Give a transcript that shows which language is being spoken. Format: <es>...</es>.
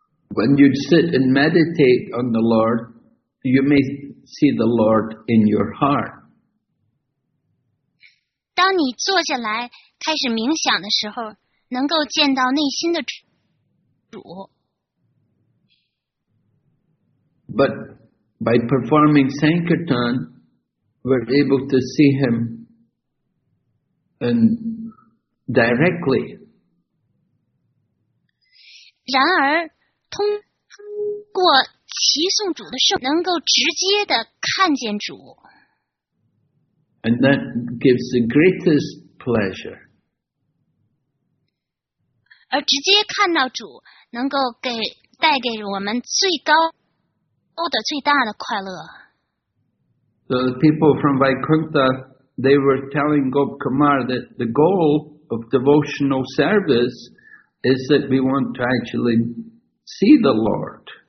<en>When you sit and meditate on the Lord, you may see the Lord in your heart.</en> <zh>当你坐下来开始冥想的时候，能够见到内心的主。</zh> <en>But by performing Sankirtan, we're able to see him and directly.</en> <zh>然而，通过齐颂主的圣，能够直接的看见主。</zh> <en>And that gives the greatest pleasure.</en> <zh>而直接看到主，能够给带给我们最高的、最大的快乐。</zh> <en>So the people from Vaikuntha, they were telling Gop Kumar that the goal of devotional service is that we want to actually see the Lord.</en>